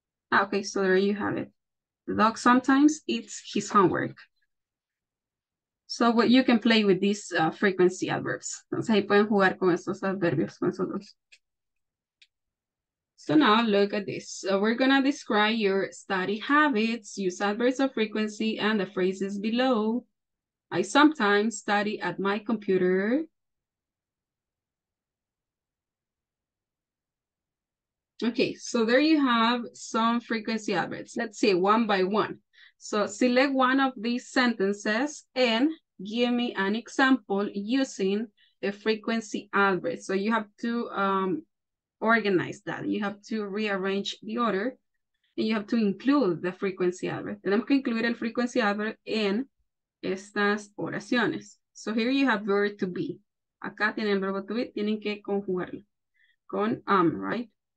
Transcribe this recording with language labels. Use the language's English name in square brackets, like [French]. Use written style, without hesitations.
[English] Ah, ok. So there you have it. The dog sometimes eats his homework. So what you can play with these frequency adverbs. Entonces ahí pueden jugar con estos adverbios, con esos dos. So now look at this. So we're going to describe your study habits, use adverbs of frequency, and the phrases below. I sometimes study at my computer. Okay, so there you have some frequency adverbs. Let's see one by one. So select one of these sentences and give me an example using a frequency adverb. So you have to organize that. You have to rearrange the order and you have to include the frequency adverb. [Spanish] Tenemos que incluir el frequency adverb en estas oraciones. [English] So here you have verb to be. [Spanish] Acá tienen verbo to be, tienen que conjugarlo con [English] right?